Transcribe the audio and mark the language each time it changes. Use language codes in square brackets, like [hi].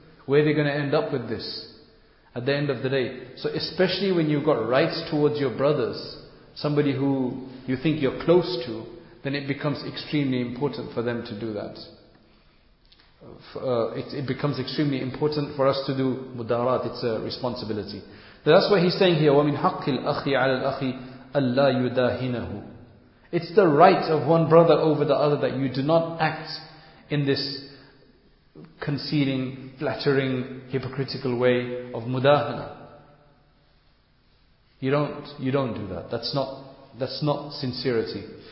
[en] Where are they going to end up with this at the end of the day? So especially when you've got rights towards your brothers, somebody who you think you're close to, then it becomes extremely important for them to do that. It becomes extremely important for us to do mudarat. It's a responsibility. That's why he's saying here, [ar] وَمِنْ حَقِّ الْأَخِي عَلَى الْأَخِي أَلَّا يُدَاهِنَهُ. [en] It's the right of one brother over the other that you do not act in this concealing, flattering, hypocritical way of mudahana. You don't do that. That's not sincerity.